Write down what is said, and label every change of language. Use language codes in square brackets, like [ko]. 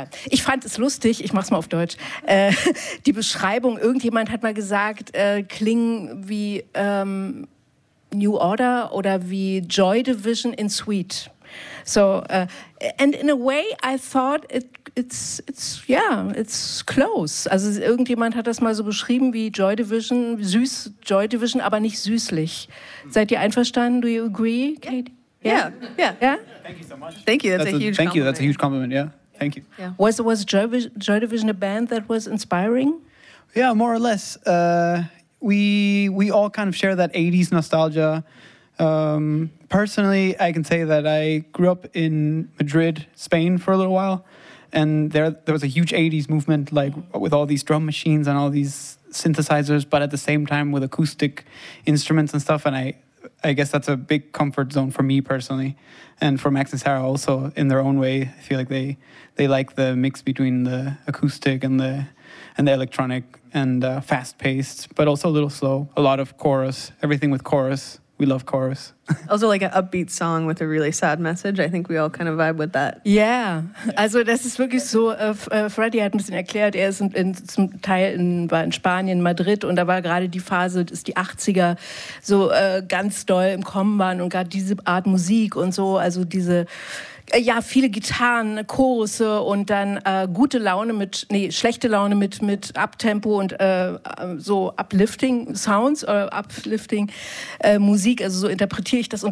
[de] Ich fand es lustig, ich mach's mal auf Deutsch, die Beschreibung, irgendjemand hat mal gesagt, klingen wie New Order oder wie Joy Division in Sweet. [en] So, and in a way I thought it's close. [de] Also irgendjemand hat das mal so beschrieben wie Joy Division, süß Joy Division, aber nicht süßlich. Seid ihr einverstanden? [en] Do you agree, Katie? Yeah. Thank you so much. Thank you, that's a huge compliment. Thank you, that's a huge compliment, yeah. Thank you. Yeah. Was Joy Division a band that was inspiring? Yeah, more or less. We all kind of share that 80s nostalgia. Personally, I can say that I grew up in Madrid, Spain for a little while. And there was a huge 80s movement, like with all these drum machines and all these synthesizers, but at the same time with acoustic instruments and stuff. And I guess that's a big comfort zone for me personally. And for Max and Sarah also, in their own way, I feel like they like the mix between the acoustic and the electronic and fast paced, but also a little slow. A lot of chorus, everything with chorus. We love chorus. Also like an upbeat song with a really sad message. I think we all kind of vibe with that. [de] Yeah, also das ist wirklich so. Freddy hat ein bisschen erklärt, er ist zum Teil in Spanien, Madrid, und da war gerade die Phase, das ist die 80er, so ganz doll im Kommen waren, und gerade diese Art Musik und so, also diese, ja, viele Gitarren, Chorus und dann gute Laune mit, nee, schlechte Laune mit Uptempo und so uplifting Sounds, uplifting Musik, also so interpretiere ich das.